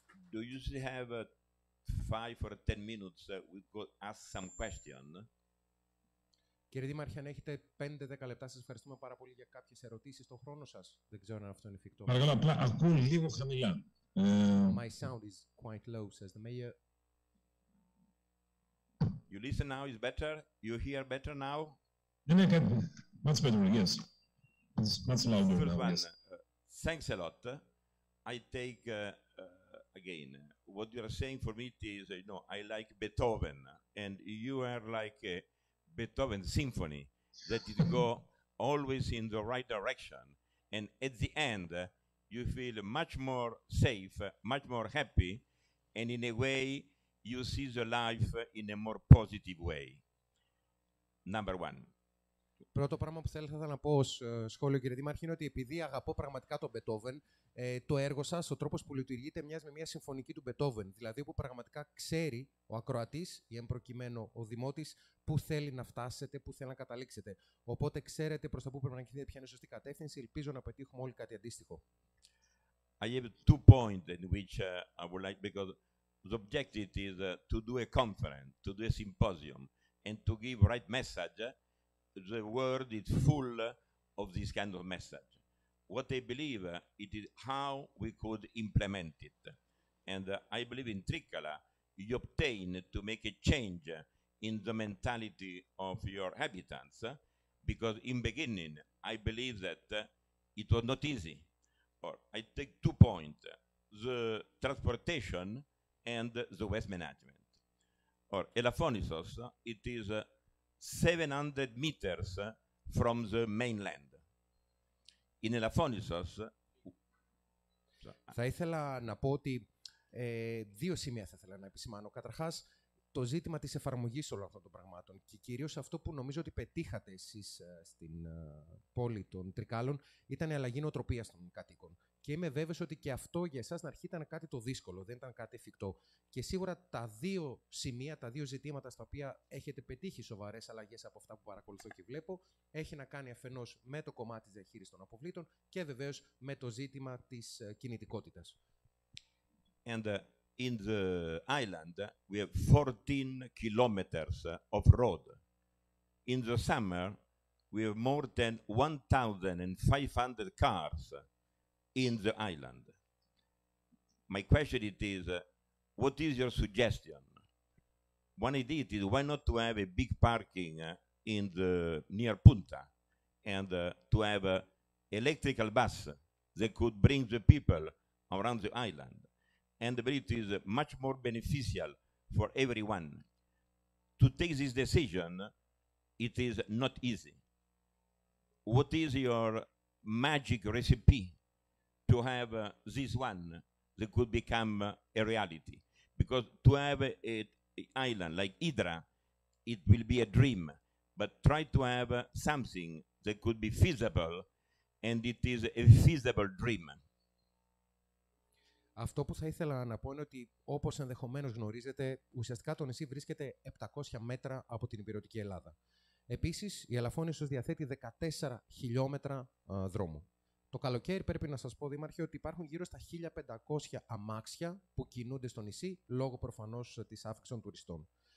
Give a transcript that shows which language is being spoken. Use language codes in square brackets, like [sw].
[en] Do you usually have 5 or 10 minutes that we could ask some questions? [el] Κύριε Δήμαρχε, αν έχετε 5-10 λεπτά, σας ευχαριστούμε πάρα πολύ για κάποιες ερωτήσεις. Το χρόνο σας, δεν ξέρω αν αυτό είναι εφικτό. Παρακαλώ, απλά ακούω λίγο χαμηλά. [en] My sound is quite low, says the mayor. You listen now, is better? You hear better now? [el] Ναι, [en] much better, yes. It's much louder first now, one, yes. Thanks a lot. I take, again, what you are saying for me is, you know, I like Beethoven, and you are like Beethoven symphony that it go always in the right direction, and at the end you feel much more safe, much more happy, and in a way you see the life in a more positive way. Number one. [el] Πρώτο πράγμα που θέλω να πω ως σχόλιο, κύριε Δήμαρχε, είναι ότι επειδή αγαπώ πραγματικά τον Beethoven, το έργο σας, ο τρόπος που λειτουργείτε, μοιάζει με μια συμφωνική του Beethoven, δηλαδή που πραγματικά ξέρει ο ακροατής ή εν προκειμένου ο δημότης πού θέλει να φτάσετε, πού θέλει να καταλήξετε. Οπότε ξέρετε προς τα πού πρέπει να κινείτε, ποια είναι η σωστή κατεύθυνση. Ελπίζω να πετύχουμε όλοι κάτι αντίστοιχο. [en] I have two points in which I would like, because the objective is to do a conference, to do a symposium and to give right message. The world is full of this kind of message. What I believe it is how we could implement it. And I believe in Tricala, you obtain to make a change in the mentality of your inhabitants, because in beginning, I believe that it was not easy. Or I take two points, the transportation and the waste management. Or Elafonisos, it is 700 meters from the mainland. In Elafonisos. [el] Θα ήθελα να πω ότι δύο σημεία θα ήθελα να επισημάνω. Καταρχάς, το ζήτημα της εφαρμογής όλων αυτών των πραγμάτων και κυρίως αυτό που νομίζω ότι πετύχατε εσείς στην πόλη των Τρικάλων ήταν η αλλαγή νοοτροπίας των κατοίκων. Και είμαι βέβαιος ότι και αυτό για εσάς στην αρχή ήταν κάτι το δύσκολο, δεν ήταν κάτι εφικτό. Και σίγουρα τα δύο σημεία, τα δύο ζητήματα στα οποία έχετε πετύχει σοβαρές αλλαγές από αυτά που παρακολουθώ και βλέπω, έχει να κάνει αφενός με το κομμάτι της διαχείρισης των αποβλήτων και βεβαίως με το ζήτημα της κινητικότητας. [en] And in the island we have 14 kilometers of road. In the summer we have more than 1,500 cars in the island. My question it is, what is your suggestion? one idea is why not to have a big parking in the near Punta, and to have an electrical bus that could bring the people around the island. And it is much more beneficial for everyone. To take this decision, it is not easy. What is your magic recipe to have this one that could become a reality? Because to have an island like Hydra, it will be a dream. But try to have something that could be feasible, and it is a feasible dream. [el] Αυτό που θα ήθελα να πω είναι ότι, όπως ενδεχομένως γνωρίζετε, ουσιαστικά το νησί βρίσκεται 700 μέτρα από την υπηρετική Ελλάδα. Επίσης, η Ελαφώνησος διαθέτει 14 χιλιόμετρα δρόμου. Το καλοκαίρι πρέπει να σας πω, Δήμαρχε, ότι υπάρχουν γύρω στα 1.500 αμάξια που κινούνται στο νησί, λόγω προφανώς της αύξησης των τουριστών.